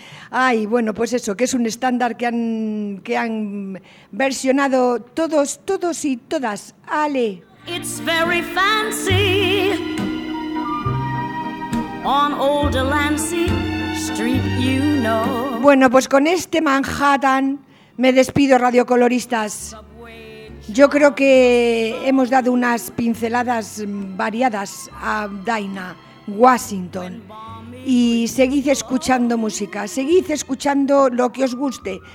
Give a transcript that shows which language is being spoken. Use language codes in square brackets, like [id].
[es] Ay, bueno, pues eso, que es un estándar que han versionado todos y todas. Ale. [en] It's very fancy on Old Delancey Street, you know. [es] Bueno, pues con este Manhattan me despido, radiocoloristas. Yo creo que hemos dado unas pinceladas variadas a Daina Washington. Y seguid escuchando música, seguid escuchando lo que os guste.